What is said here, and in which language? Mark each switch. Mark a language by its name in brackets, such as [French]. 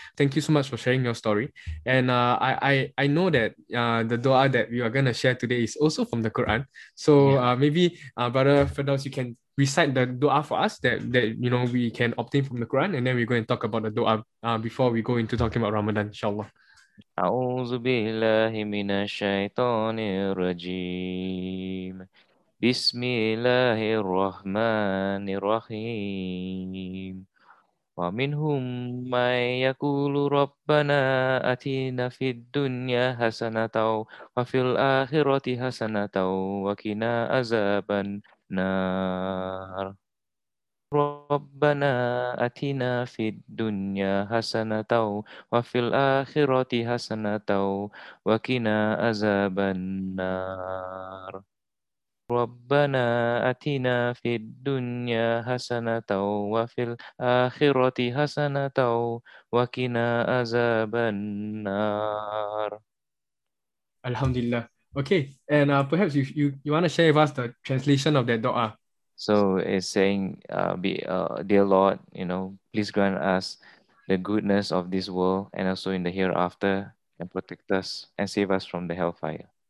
[English] Thank you so much for sharing your story. And I know that the dua that we are gonna share today is also from the Quran. So yeah. Brother Firdaous, you can recite the dua for us that you know we can obtain from the Quran, and then we go and talk about the dua before we go into talking about Ramadan, inshallah. [Arabic] أعوذ بالله من الشيطان الرجيم بسم الله الرحمن الرحيم ومنهم من يقول ربنا أتينا في الدنيا حسنة وفي الآخرة حسنة وقنا عذاب النار رَبَّنَا آتِنَا فِي الدُّنْيَا حَسَنَةً وَفِي الْآخِرَةِ حَسَنَةً وَقِنَا عَذَابَ النَّارِ رَبَّنَا آتِنَا فِي الدُّنْيَا حَسَنَةً وَفِي الْآخِرَةِ حَسَنَةً وَقِنَا عَذَابَ النَّارِ الحمد لله. [English] Okay, and perhaps you want to share with us the translation of that dua. So it's saying, dear Lord, you know, please grant us the goodness of this world and also in the hereafter, and protect us and save us from the hellfire.